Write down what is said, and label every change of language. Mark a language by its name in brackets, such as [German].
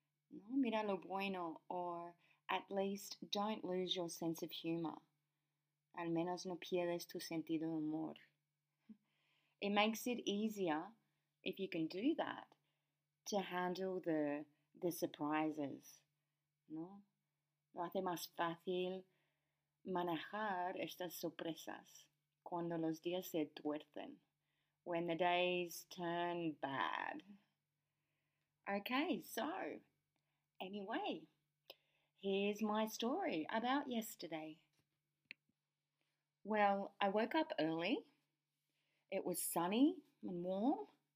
[Spanish] No, mira lo bueno, [English] or at least don't lose your sense of humor. [Spanish] Al menos no pierdes tu sentido de humor. [English] It makes it easier, if you can do that, to handle the surprises. [Spanish] No, lo hace más fácil manejar estas sorpresas cuando los días se tuercen. [English] When the days turn bad. Okay, so anyway, here's my story about yesterday. Well, I woke up early. It was sunny and warm.